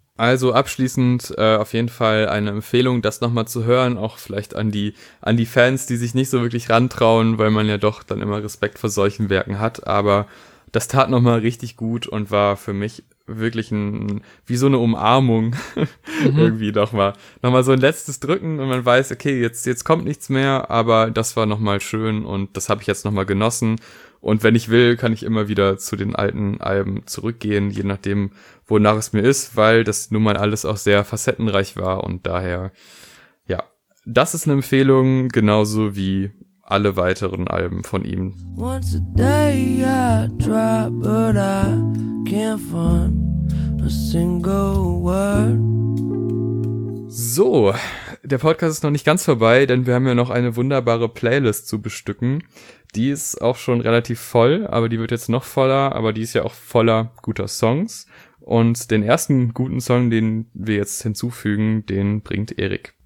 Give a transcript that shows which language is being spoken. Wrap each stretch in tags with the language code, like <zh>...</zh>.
<de>Also abschließend auf jeden Fall eine Empfehlung, das nochmal zu hören, auch vielleicht an die Fans, die sich nicht so wirklich rantrauen, weil man ja doch dann immer Respekt vor solchen Werken hat, aber das tat nochmal richtig gut und war für mich wirklich wie so eine Umarmung irgendwie nochmal so ein letztes Drücken und man weiß, okay, jetzt kommt nichts mehr, aber das war nochmal schön und das habe ich jetzt nochmal genossen. Und wenn ich will, kann ich immer wieder zu den alten Alben zurückgehen, je nachdem, wonach es mir ist, weil das nun mal alles auch sehr facettenreich war und daher, ja, das ist eine Empfehlung, genauso wie alle weiteren Alben von ihm.</de> <en>Once a day I try, but I can't find a single word.</en> <de>So, der Podcast ist noch nicht ganz vorbei, denn wir haben ja noch eine wunderbare Playlist zu bestücken. Die ist auch schon relativ voll, aber die wird jetzt noch voller, aber die ist ja auch voller guter Songs. Und den ersten guten Song, den wir jetzt hinzufügen, den bringt Erik.</de>